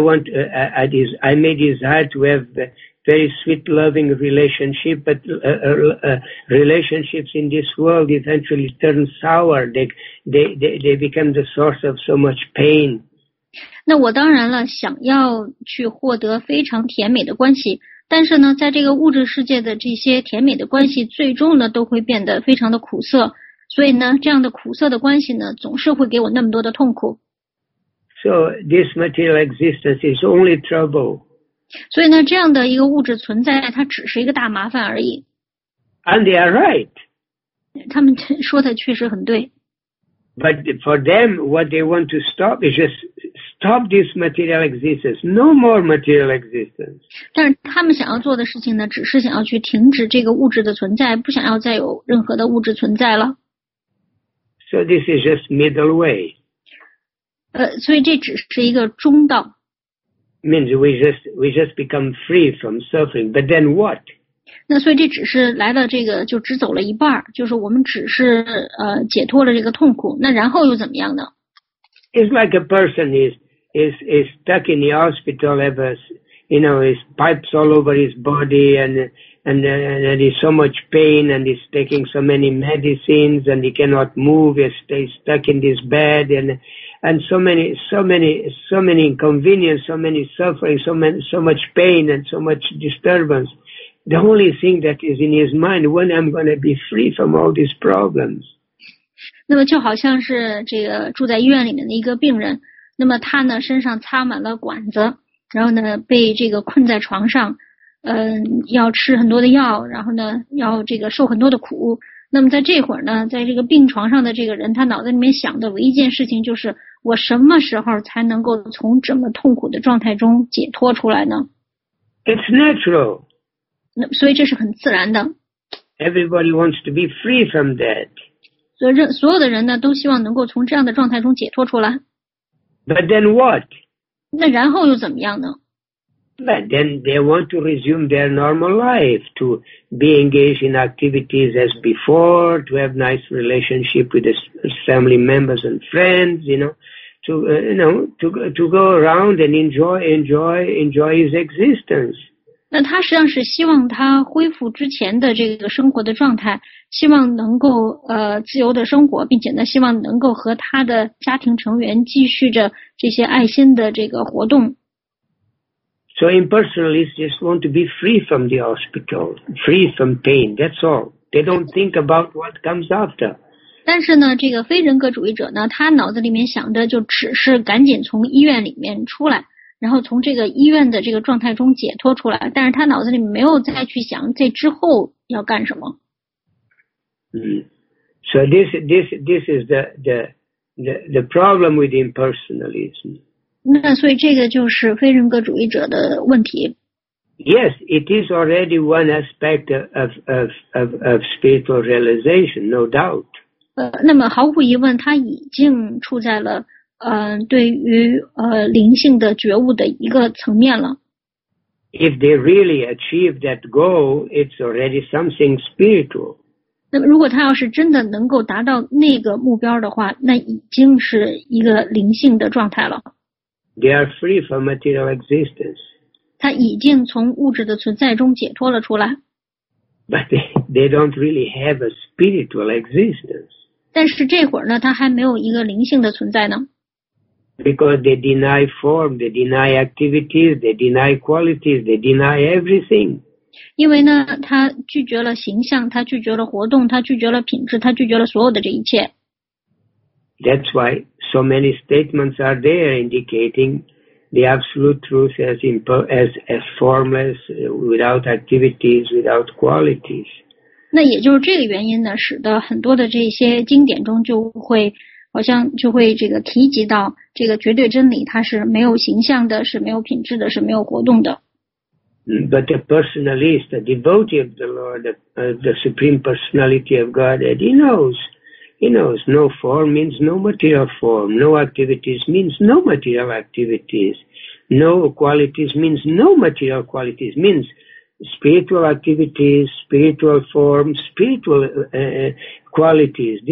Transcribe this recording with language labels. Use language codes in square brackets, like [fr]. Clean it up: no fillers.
[en] I may desire to have a very sweet, loving relationship, but relationships in this world eventually turn sour. They become the source of so much pain. [zh] 那我当然了，想要去获得非常甜美的关系，但是呢，在这个物质世界的这些甜美的关系，最终呢都会变得非常的苦涩。所以呢，这样的苦涩的关系呢，总是会给我那么多的痛苦。 [en] So this material existence is only trouble. [zh] 所以呢，这样的一个物质存在，它只是一个大麻烦而已。 [en] And they are right. [zh] 他们说的确实很对。 [en] But for them, what they want to stop is just stop this material existence. No more material existence. [zh] 但是他们想要做的事情呢，只是想要去停止这个物质的存在，不想要再有任何的物质存在了。 [en] So this is just middle way. [zh] 所以这只是一个中道。 [en] Means we just become free from suffering. But then what? [zh] 那所以这只是来了这个，就只走了一半，就是我们只是解脱了这个痛苦。那然后又怎么样呢？ [en] It's like a person is stuck in the hospital ever, you know, his pipes all over his body and he's so much pain and he's taking so many medicines and he cannot move, he stays stuck in this bed and so many inconvenience, so many suffering, so much pain and so much disturbance. The only thing that is in his mind, when am I going to be free from all these problems? [zh] 那么就好像是这个住在医院里面的一个病人，那么他呢身上插满了管子，然后呢被这个困在床上，要吃很多的药，然后呢要这个受很多的苦。那么在这会儿呢，在这个病床上的这个人，他脑子里面想的唯一件事情就是，我什么时候才能够从这么痛苦的状态中解脱出来呢？ [en] It's natural. [zh] 那所以这是很自然的。 [en] Everybody wants to be free from that. [zh] 所有的人呢都希望能够从这样的状态中解脱出来。 [en] But then what? [zh] 那然后又怎么样呢？ [en] But then they want to resume their normal life, to be engaged in activities as before, to have nice relationship with family members and friends, you know, to go around and enjoy his existence. [zh] 那他实际上是希望他恢复之前的这个生活的状态，希望能够自由的生活，并且呢希望能够和他的家庭成员继续着这些爱心的这个活动。 [en] So impersonalists just want to be free from the hospital, free from pain, that's all. They don't think about what comes after. [zh] 但是呢这个非人格主义者呢，他脑子里面想的就只是赶紧从医院里面出来。然后从这个医院的这个状态中解脱出来，但是他脑子里没有再去想这之后要干什么。 [en] So this is the problem with impersonalism. [zh] 那所以这个就是非人格主义者的问题。 [en] Yes, it is already one aspect of spiritual realization, no doubt. [zh] 那么毫无疑问，他已经处在了。对于灵性的觉悟的一个层面了。 [en] If they really achieve that goal, it's already something spiritual. [zh] 那么如果他要是真的能够达到那个目标的话，那已经是一个灵性的状态了。 [en] They are free from material existence. [zh] 他已经从物质的存在中解脱了出来。 [en] But they don't really have a spiritual existence. [zh] 但是这会儿呢，他还没有一个灵性的存在呢。 [en] Because they deny form, they deny activities, they deny qualities, they deny everything. [zh] 因为呢，他拒绝了形象，他拒绝了活动，他拒绝了品质，他拒绝了所有的这一切。 [en] That's why so many statements are there indicating the absolute truth as formless, without activities, without qualities. [zh] 那也就是这个原因呢，使得很多的这些经典中就会。好像就会这个提及到这个绝对真理，它是没有形象的，是没有品质的，是没有活动的。 [en] But the personalist, the devotee of the Lord, the supreme personality of Godhead, he knows no form means no material form, no activities means no material activities, no qualities means no material qualities, means spiritual activities, spiritual form, spiritual qualities.